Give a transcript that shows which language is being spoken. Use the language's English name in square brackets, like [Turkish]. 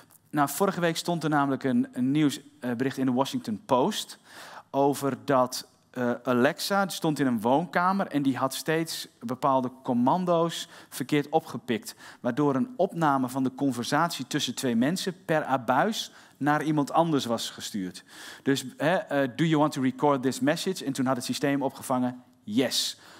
[Dutch] Nou, vorige week stond er namelijk een nieuwsbericht in de Washington Post... over dat Alexa stond in een woonkamer... en die had steeds bepaalde commando's verkeerd opgepikt... waardoor een opname van de conversatie tussen twee mensen... per abuis naar iemand anders was gestuurd. [English] Dus, do you want to record this message? [Dutch] En toen had het systeem opgevangen, [English] yes...